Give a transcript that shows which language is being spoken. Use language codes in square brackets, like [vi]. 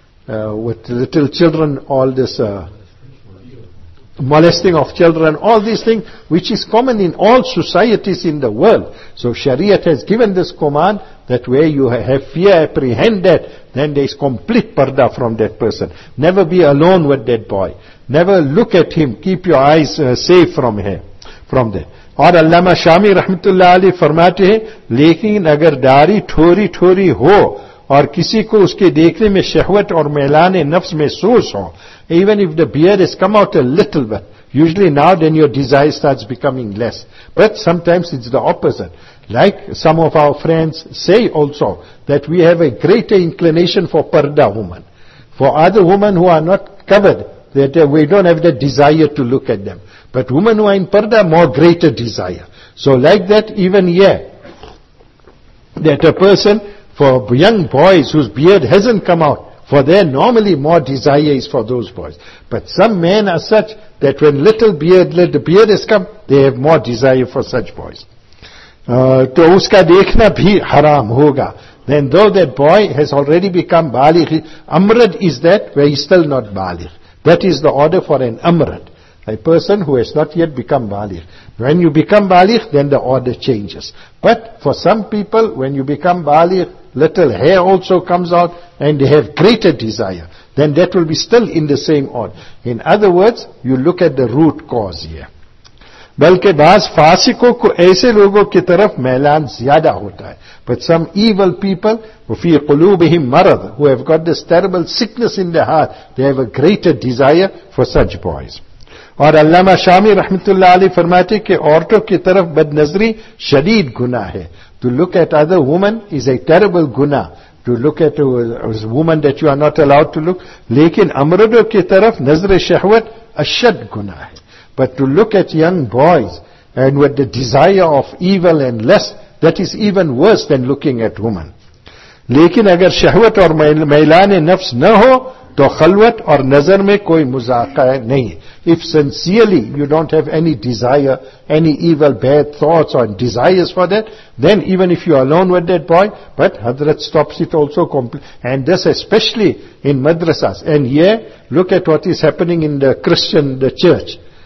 [en] With little children, all this molesting of children, all these things, which is common in all societies in the world. So Shariat has given this command that where you have fear, apprehend that, then there is complete parda from that person. Never be alone with that boy. Never look at him. Keep your eyes safe from him, from that. [ur] اور علامہ شامی رحمت اللہ علیہ فرماتے ہیں لیکن اگر داری ٹھوری ٹھوری ہو اور کسی کو اس کے دیکھنے میں شہوت اور میلان نفس محسوس ہو [en] Even if the bear is come out a little bit usually now then your desire starts becoming less but sometimes it's the opposite like some of our friends say also that we have a greater inclination for purdah women for other women who are not covered that we don't have the desire to look at them. But women who are in parda, more greater desire. So like that, even here, that a person, for young boys whose beard hasn't come out, for there normally more desire is for those boys. But some men are such, that when little beard, little beard has come, they have more desire for such boys. [ur] To uska dekhna bhi haram hoga. [en] Then though that boy has already become baligh, amrad is that, where he's still not baligh. That is the order for an amrad, a person who has not yet become baligh. When you become baligh, then the order changes. But for some people, when you become baligh, little hair also comes out and they have greater desire. Then that will be still in the same order. In other words, you look at the root cause here. [ur] بلکہ بعض فاسقوں کو ایسے لوگوں کی طرف میلان زیادہ ہوتا ہے. [en] But some evil people, [ar] وفی قلوبهم مرض, [en] who have got this terrible sickness in their heart, they have a greater desire for such boys. [ur] اور علامہ شامی رحمت اللہ علیہ فرماتے ہیں کہ عورتوں کی طرف بدنظری شدید گناہ ہے. [en] To look at other women is a terrible guna. To look at a woman that you are not allowed to look. [ur] لیکن امردوں کی طرف نظر شہوت اشد گناہ ہے. [en] But to look at young boys and with the desire of evil and lust, that is even worse than looking at women. [ur] لیکن اگر شہوت اور میلان نفس نہ ہو تو خلوت اور نظر میں کوئی مذاقہ نہیں. [en] If sincerely you don't have any desire, any evil bad thoughts or desires for that, then even if you are alone with that boy, but Hadrat stops it also completely. And this especially in madrasas. And here, look at what is happening in the Christian, the church.